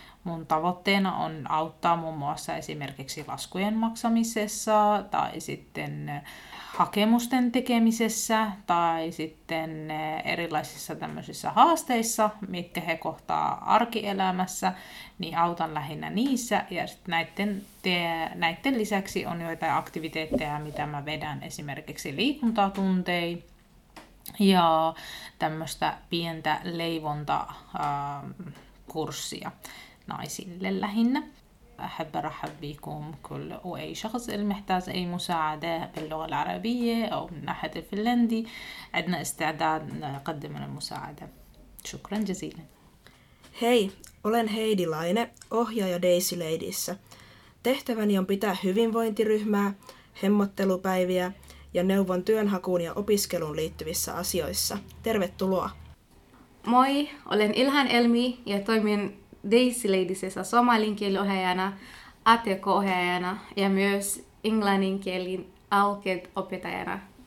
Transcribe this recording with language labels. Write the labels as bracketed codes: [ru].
[fi] Mun tavoitteena on auttaa muun muassa esimerkiksi laskujen maksamisessa tai sitten hakemusten tekemisessä tai sitten erilaisissa tämmöisissä haasteissa, mitkä he kohtaa arkielämässä, niin autan lähinnä niissä. Ja sitten näiden lisäksi on joitain aktiviteetteja, mitä mä vedän esimerkiksi liikuntatunteja ja tämmöistä pientä leivontakurssia naisille lähinnä. [ar] أحب أرحب بكم كل أي شخص المحتاج أي مساعدة باللغة العربية أو من ناحية الفنلندي عندنا استعداد نقدم المساعدة شكرا جزيلا [fi] Hei, olen Heidi Laine, ohjaaja DaisyLadiesissä. Tehtäväni on pitää hyvinvointiryhmää, hemmottelupäiviä ja neuvon työnhakuun ja opiskeluun liittyvissä asioissa. Tervetuloa! Moi, olen Ilhan Elmi ja toimin DaisyLadiesissa somalin kielen ohjaajana, ATK-ohjaajana ja myös englannin kielen alkeet opettajana.